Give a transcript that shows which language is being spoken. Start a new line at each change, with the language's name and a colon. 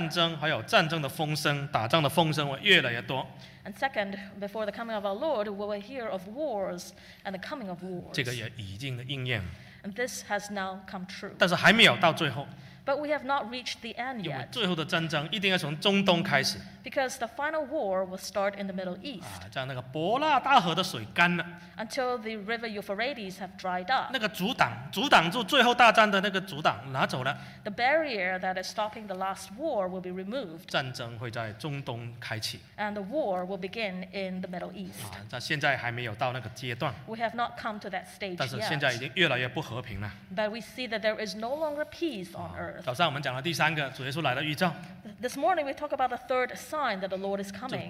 Chinese: 第二，我们讲到主耶稣来之前，战争还有战争的风声，打仗的风声会越来越多。
English: And second, before the coming of our Lord, we will hear of wars and the coming of wars.
Chinese: 这个也已经应验。
English: And this has now come true.
Chinese: 但是还没有到最后。
English: But we have not reached the end yet.
Chinese: 因为最后的战争一定要从中东开始。
English: Because the final war will start in the Middle East.
Chinese: 让那个伯拉大河的水干了。
English: Until the river Euphrates have dried up.
Chinese: 那个阻挡住最后大战的那个阻挡拿走了。
English: The barrier that is stopping the last war will be removed.
Chinese: 战争会在中东开启。
English: And the war will begin in the Middle East.
Chinese: 现在还没有到那个阶段。
English: We have not come to that stage yet.
Chinese: 但是现在已经越来越不和平了。
English: But we see that there is no longer peace on earth.
Chinese: 早上我们讲了第三个主耶稣来的预兆。
English: This morning we talk about the third sign that the Lord is coming.